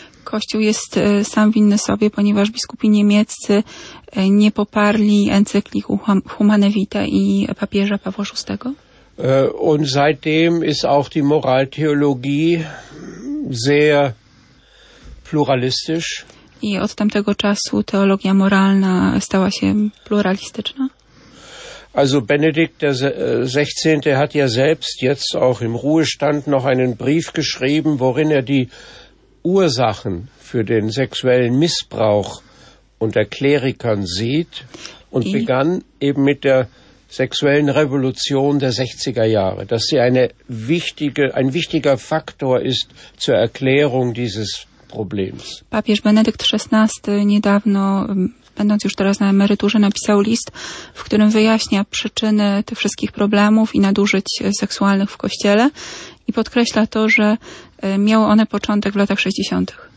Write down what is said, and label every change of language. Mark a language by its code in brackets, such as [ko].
[pl] Kościół jest sam winny sobie, ponieważ biskupi niemieccy nie poparli encykliku Humanae Vitae i papieża Pawła VI. [de] Und seitdem ist auch die Moraltheologie sehr pluralistisch. [pl] I od tamtego czasu teologia moralna stała się pluralistyczna. [de] Also Benedikt der 16. hat ja selbst jetzt auch im Ruhestand noch einen Brief geschrieben, worin er die Ursachen für den sexuellen Missbrauch unter Klerikern sieht und begann eben mit der sexuellen Revolution der 60er Jahre, dass sie ein wichtiger Faktor ist zur Erklärung dieses problems. [pl] Papież Benedykt XVI niedawno, będąc już teraz na emeryturze, napisał list, w którym wyjaśnia przyczyny tych wszystkich problemów i nadużyć seksualnych w Kościele i podkreśla to, że miały one początek w latach 60.